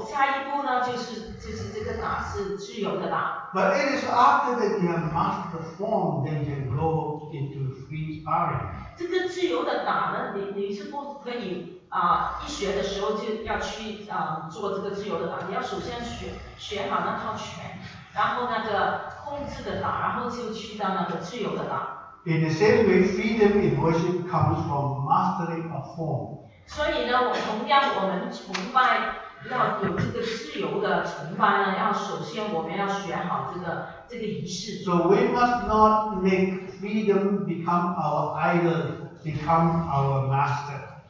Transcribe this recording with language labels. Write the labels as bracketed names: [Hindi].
[Chinese] 然后在你已经做了这个之后呢，你继续做的时候，下一步呢就是这个打是自由的打。 [English] But it is after that you have mastered the form, then you can go into free sparring. [Chinese] 这个自由的打呢，你是不可以一学的时候就要去做这个自由的打，你要首先学好那套拳。然后那个控制的打，然后就去到那个自由的打。 [English] In the same way, freedom in worship comes from mastering of form. [Chinese] 所以呢，我同样我们崇拜要有这个自由的崇拜呢，要首先我们要学好这个仪式。 [English] So we must not make freedom become our idol, become our master.